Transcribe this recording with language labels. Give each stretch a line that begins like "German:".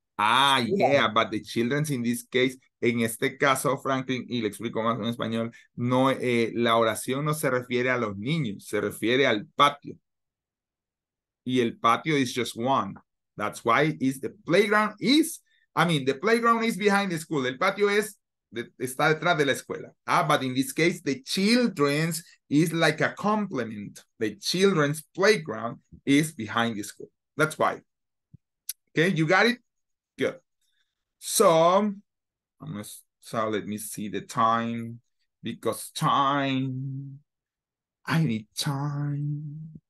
English: Ah, yeah, but the children's in this
Spanish: case, en este caso, Franklin, y le explico más en español, no, la oración no se refiere a los niños, se refiere al patio. Y el patio
English: is just one. That's why is the playground is, I mean, the playground is behind the school.
Spanish: El patio es, está detrás de la escuela.
English: Ah, but in this case, the children's is like a complement. The children's playground is behind the school. That's why. Okay, you got it? Good. So, let me see the time, because I need time.